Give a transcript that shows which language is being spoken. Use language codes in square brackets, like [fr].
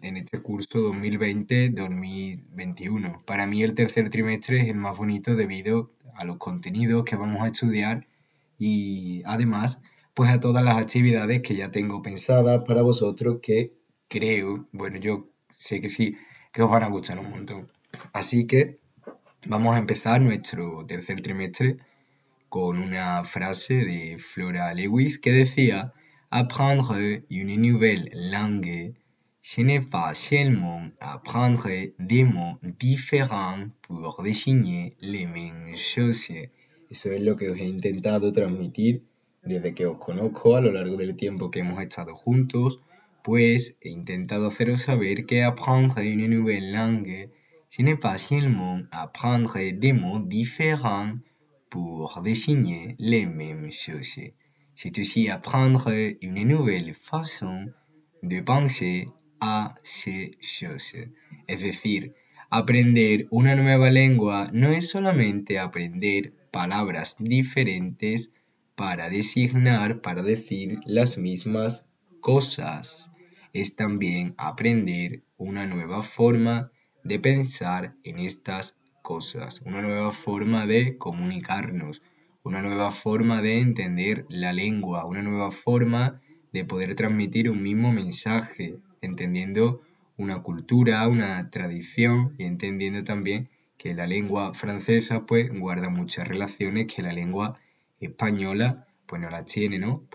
[es] En este curso 2020-2021. Para mí el tercer trimestre es el más bonito debido a los contenidos que vamos a estudiar y además, pues, a todas las actividades que ya tengo pensadas para vosotros que creo, bueno, yo sé que sí, que os van a gustar un montón. Así que vamos a empezar nuestro tercer trimestre con una frase de Flora Lewis que decía: [fr] Apprendre une nouvelle langue, ce n'est pas seulement apprendre des mots différents pour désigner les mêmes choses. [es] Eso es lo que os he intentado transmitir desde que os conozco a lo largo del tiempo que hemos estado juntos, pues he intentado haceros saber que [fr] apprendre une nouvelle langue. Ce n'est pas seulement apprendre des mots différents pour désigner les mêmes choses. C'est aussi apprendre une nouvelle façon de penser à ces choses. [es] Es decir, aprender una nueva lengua no es solamente aprender palabras diferentes para designar, para decir las mismas cosas. Es también aprender una nueva forma de pensar en estas cosas, una nueva forma de comunicarnos, una nueva forma de entender la lengua, una nueva forma de poder transmitir un mismo mensaje, entendiendo una cultura, una tradición y entendiendo también que la lengua francesa pues guarda muchas relaciones que la lengua española pues no las tiene, ¿no?